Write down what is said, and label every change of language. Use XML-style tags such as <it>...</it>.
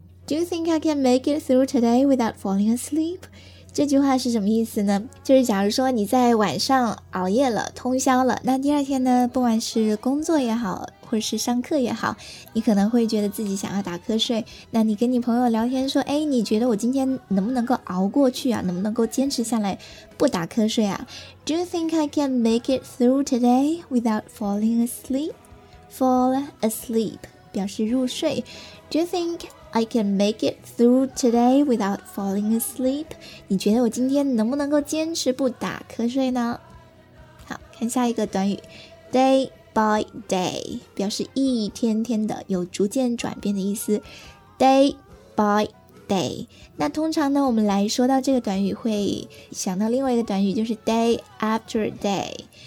<en>Do you think I can make it through today without falling asleep？</en> <zh>这句话是什么意思呢？就是假如说你在晚上熬夜了，通宵了，那第二天呢，不管是工作也好或者是上课也好，你可能会觉得自己想要打瞌睡。那你跟你朋友聊天说，哎，你觉得我今天能不能够熬过去啊，能不能够坚持下来不打瞌睡啊？</zh> <en>Do you think I can make it through today without falling asleep? Fall asleep</en> <zh>表示入睡。</zh> <en>Do you think I can make it through today without falling asleep?</en> <zh>你觉得我今天能不能够坚持不打瞌睡呢？好，看下一个短语 dayby day 表示一天天的，有逐渐转变的意思。 day by day， 那通常呢我们来说到这个短语会想到另外一个短语，就是 day after day。</zh>